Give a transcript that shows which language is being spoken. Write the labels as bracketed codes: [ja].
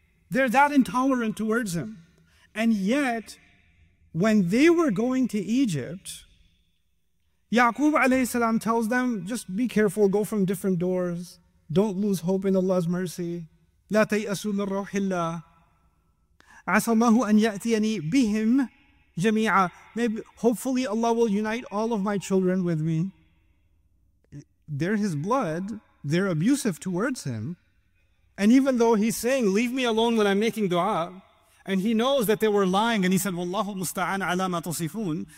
[en] They're that intolerant towards him. And yet, when they were going to Egypt, Yaqub alayhi salam tells them, just be careful, go from different doors. Don't lose hope in Allah's mercy. [ar] لا تيأسوا من روح الله. عسى الله أن يأتيني بهم جميعا. [en] Maybe, hopefully Allah will unite all of my children with me. They're his blood. They're abusive towards him. And even though he's saying, leave me alone when I'm making dua, and he knows that they were lying, and he said, [ar] وَاللَّهُ مُسْتَعَانَ عَلَى مَا تُصِفُونَ.